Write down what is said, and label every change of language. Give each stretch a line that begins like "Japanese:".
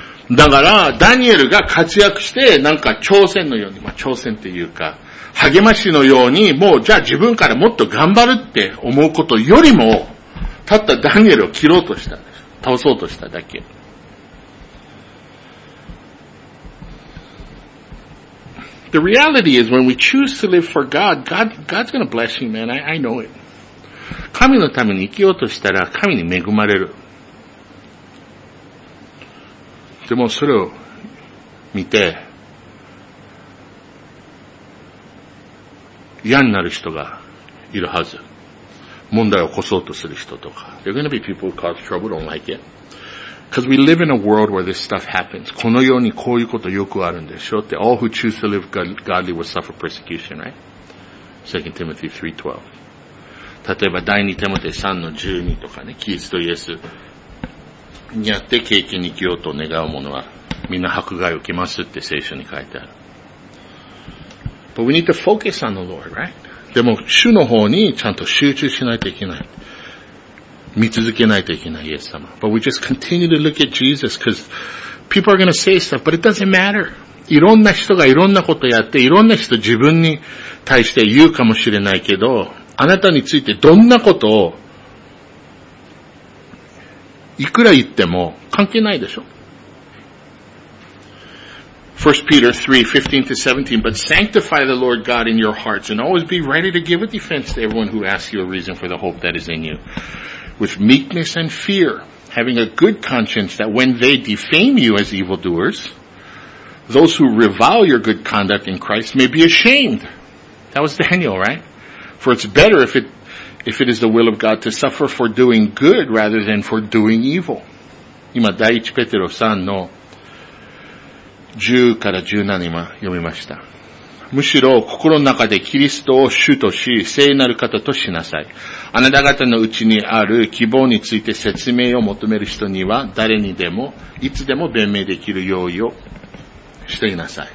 Japanese: だから、ダニエルが活躍して、なんか挑戦のように、まあ挑戦っていうか、励ましのように、もうじゃあ自分からもっと頑張るって思うことよりも、たったダニエルを切ろうとした、倒そうとしただけ。
English: The reality is when we choose to live for God, God's gonna bless you, man. I know it.
Japanese: 神のために生きようとしたら、神に恵まれる。でもそれを見て嫌になる人がいるはず。問題を起こそうとする人とか。
English: There are going to be people who cause trouble, don't like it. Because we live in a world where this stuff happens.
Japanese: この世にこういうことよくあるんでしょって。
English: All who choose to live godly will suffer persecution, right? 2 Timothy 3:12.
Japanese: 例えば第2テモテ 3:12 とかね。キリストイエス。にあって経験に生きようと願う者はみんな迫害を受けますって聖書に書いてある。
English: But we need to focus on the Lord, right?
Japanese: でも主の方にちゃんと集中しないといけない。見続けないといけない、イエス様。
English: But we just continue to look at Jesus because people are going to say stuff, but it doesn't matter.
Japanese: いろんな人がいろんなことやって、いろんな人自分に対して言うかもしれないけど、あなたについてどんなことをいくら言っても関係ないでしょ。
English: 1 Peter 3:15 to 17, but sanctify the Lord God in your hearts and always be ready to give a defense to everyone who asks you a reason for the hope that is in you. With meekness and fear, having a good conscience that when they defame you as evildoers, those who revile your good conduct in Christ may be ashamed. That was Daniel, right? For it's better if it is the will of God to suffer for doing good rather than for doing evil.
Japanese: 今第1ペテロ3の10から17今読みました。むしろ心の中でキリストを主とし、聖なる方としなさい。あなた方のうちにある希望について説明を求める人には、誰にでも、いつでも弁明できる用意をしていなさい。